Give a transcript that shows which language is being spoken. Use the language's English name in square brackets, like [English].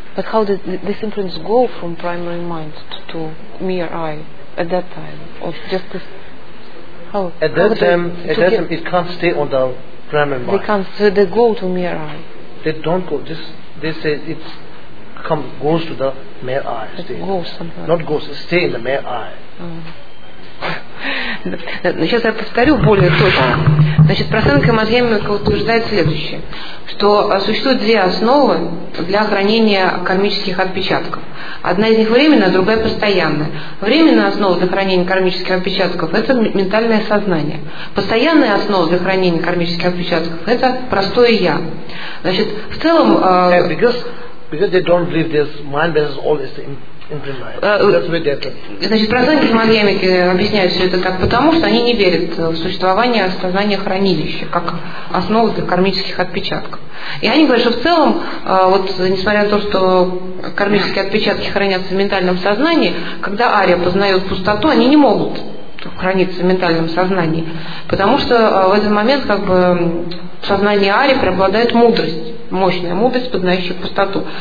[English] But how did this imprint go from primary mind to mere eye at that time? Or just this? At that time, it can't stay on the primary mind. They can't, so they go to mere eye. They don't go. They say it goes to the mere eye. Stay in the mere eye. [Russian] Сейчас я повторю более точно. Значит, Прасангья Мадхьямика утверждает следующее, что существуют две основы для хранения кармических отпечатков. Одна из них временная, другая постоянная. Временная основа для хранения кармических отпечатков – это ментальное сознание. Постоянная основа для хранения кармических отпечатков – это простое «я». Значит, в целом… [English] Because they don't believe this mind is always the imprint. [Russian] Значит, Прасангья Мадхьямика объясняет все это так, потому что они не верят в существование сознания хранилища как основы для кармических отпечатков. И они говорят, что в целом, вот несмотря на то, что кармические отпечатки хранятся в ментальном сознании, когда Ария познает пустоту, они не могут храниться в ментальном сознании, потому что в этот момент как бы в сознании Ари преобладает мудрость, мощная мудрость, познающая пустоту.